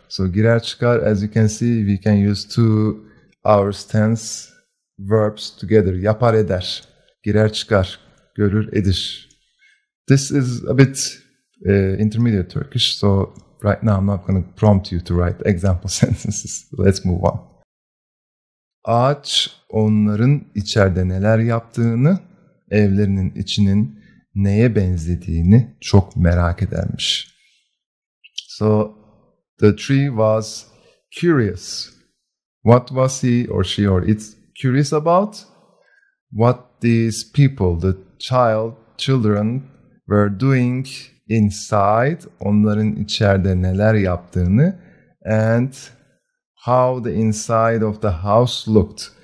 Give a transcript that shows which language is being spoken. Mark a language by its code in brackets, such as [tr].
[en] So girer çıkar, as you can see, we can use two hours tense verbs together. [tr] Yapar eder. Girer çıkar. Görür edir. [en] This is a bit intermediate Turkish, so right now I'm not going to prompt you to write example sentences. Let's move on. [tr] Ağaç onların içeride neler yaptığını, evlerinin içinin neye benzediğini çok merak edermiş. [en] So the tree was curious. What was he or she or it curious about? What these people, the children were doing inside, [tr] onların içeride neler yaptığını, [en] and how the inside of the house looked.